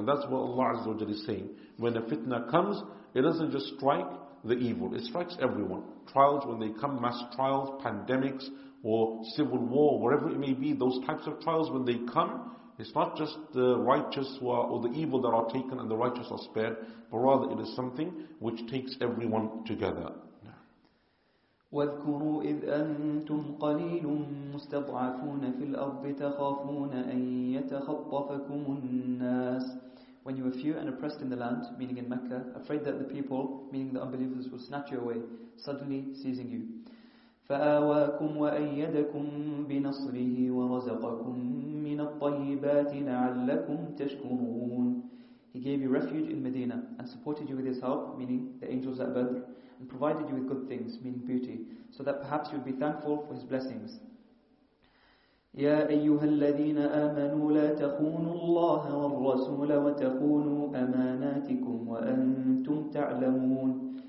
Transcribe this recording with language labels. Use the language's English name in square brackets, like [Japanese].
[English] And that's what Allah Azza wa Jal is saying. When a fitna comes, it doesn't just strike the evil, it strikes everyone. Trials, when they come, mass trials, pandemics, or civil war, whatever it may be, those types of trials, when they come, it's not just the righteous who are, or the evil that are taken and the righteous are spared, but rather it is something which takes everyone together. [Arabic] واذكروا إذ أنتم قليل مستضعفون في الأرض تخافون أن يتخطفكم الناس. [English] When you were few and oppressed in the land, meaning in Mecca, afraid that the people, meaning the unbelievers, will snatch you away, suddenly seizing you. [Arabic] فآواكم وأيدكم بنصره ورزقكم من الطيبات لعلكم تشكرون. [English] He gave you refuge in Medina and supported you with his help, meaning the angels at Badr, and provided you with good things, meaning beauty, so that perhaps you would be thankful for his blessings. [Arabic] يَا أَيُّهَا الَّذِينَ آمَنُوا لَا تَخُونُوا اللَّهَ وَالرَّسُولَ وَتَخُونُوا أَمَانَاتِكُمْ وَأَنْتُمْ تَعْلَمُونَ.